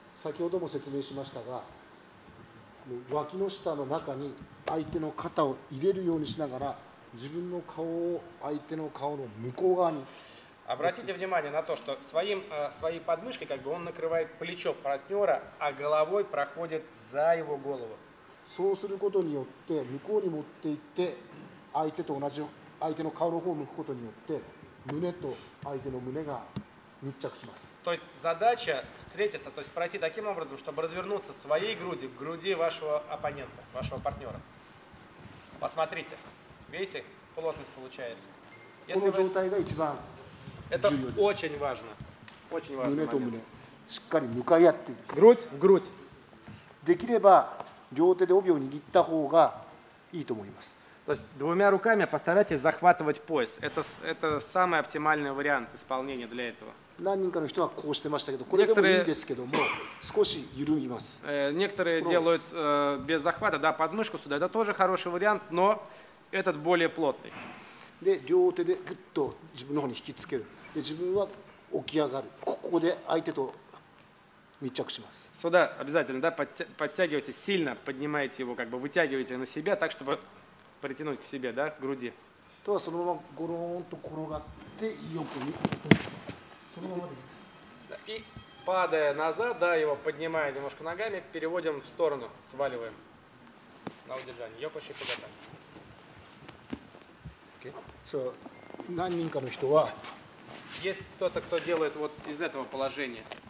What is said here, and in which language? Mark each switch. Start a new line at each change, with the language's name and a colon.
Russian: Обратите внимание на то, что своей подмышкой как бы он накрывает плечо партнера, а головой проходит за его голову.
Japanese: そうすることによって向こうに持っていって相手と同じ相手の顔の方を向くことによって胸と相手の胸が密着します。
Russian: То есть задача встретиться, то есть пройти таким образом, чтобы развернуться своей грудью к груди вашего оппонента, вашего партнера. Посмотрите, видите, плотность получается. Если
Japanese: この状態が一番
Russian: Это очень важно. Очень важно.
Japanese: 胸と胸、しっかり向かい合っていく。
Russian: Грудь в грудь.
Japanese: できれば両手で帯を握った方がいいと思います。
Russian: То есть двумя руками постарайтесь захватывать пояс. Это самый оптимальный вариант исполнения для этого.
Japanese: 何人かの人はこうしてましたけど、これでもいいんですけども、少し緩みます。
Russian: Некоторые делают без захвата, да, подмышку сюда. Это тоже хороший вариант, но этот более плотный.
Japanese: で両手でぐっと自分の方に引きつける。で自分は起き上がる。ここで相手と密着します。
Russian: Сюда обязательно, да, подтягивайте сильно, поднимайте его, как бы вытягивайте на себя, так чтобы притянуть к себе, да, к груди.
Japanese: とはそのままゴローンと転がって横に。そのままで。
Russian: И падая назад, да, его поднимая немножко ногами, переводим в сторону, сваливаем на удержание. Ёкуши куда-то.
Japanese: So, 何人かの人は
Russian: Есть кто-то, кто делает вот из этого положения.